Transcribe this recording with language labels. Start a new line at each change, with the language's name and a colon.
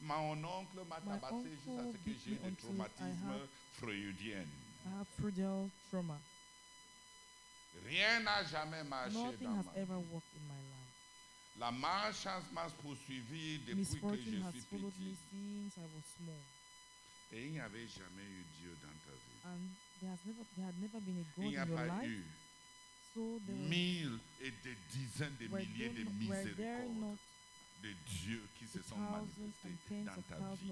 French: Mon oncle m'a tabassé jusqu'à ce que j'ai des traumatismes freudiens.
English: I have Freudian trauma.
French: Rien n'a jamais marché
English: Nothing
French: dans
English: has
French: ma
English: ever worked in my life.
French: La malchance m'a poursuivi depuis que je suis petit.
English: Misfortune has followed me since I was small.
French: Et il n'y avait jamais eu Dieu dans ta vie.
English: And there had never been a God in your life.
French: Il n'y a pas eu.
English: So there
French: mille et des dizaines de milliers de miséricordes de Dieu qui se sont manifestées dans ta vie.